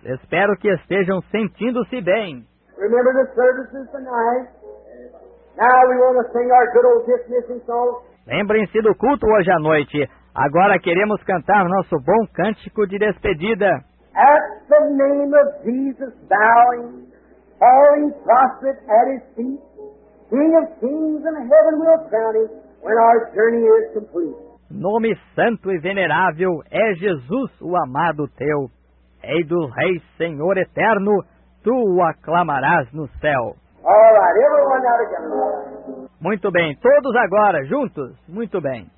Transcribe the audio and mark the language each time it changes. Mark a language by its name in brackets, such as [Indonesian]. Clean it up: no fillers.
[Portuguese] Espero que estejam sentindo-se bem. [English] Remember the services tonight? Now we want to sing our good old dismissing song. [Portuguese] Lembrem-se do culto hoje à noite. Agora queremos cantar nosso bom cântico de despedida. [English] At the name of Jesus bowing, falling prostrate at his feet, King of kings and heaven will crown him when our journey is complete. [Portuguese] Nome santo e venerável é Jesus, o amado teu. Rei dos reis, Senhor eterno, tu o aclamarás no céu. [English] All right, everyone out again. [Portuguese] Muito bem, todos agora, juntos, muito bem.